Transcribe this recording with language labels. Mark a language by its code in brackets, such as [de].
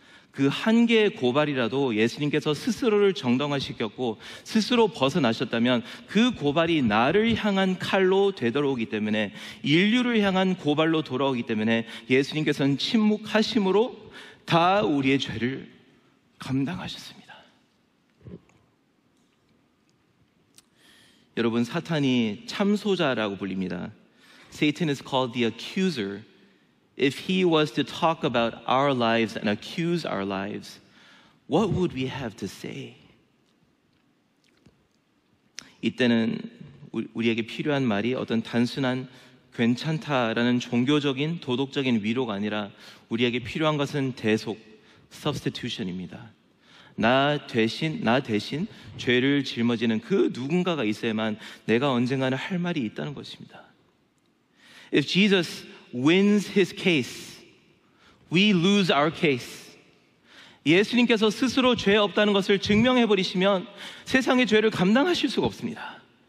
[ko] 그 한 개의 고발이라도 예수님께서 스스로를 정당화시켰고 스스로 벗어나셨다면 그 고발이 나를 향한 칼로 되돌아오기 때문에 인류를 향한 고발로 돌아오기 때문에 예수님께서는 침묵하심으로 다 우리의 죄를 감당하셨습니다. 여러분, 사탄이 참소자라고 불립니다. [en] Satan is called the accuser. If he was to talk about our lives and accuse our lives, what would we have to say? [ko] 이때는 우리에게 필요한 말이 어떤 단순한 괜찮다라는 종교적인 도덕적인 위로가 아니라 우리에게 필요한 것은 대속, substitution입니다. 나 대신 죄를 짊어지는 그 누군가가 있어야만 내가 언젠가는 할 말이 있다는 것입니다. [en] If Jesus wins his case, we lose our case. [ko] 예수님께서 스스로 죄 없다는 것을 증명해버리시면 세상의 죄를 감당하실 수가 없습니다.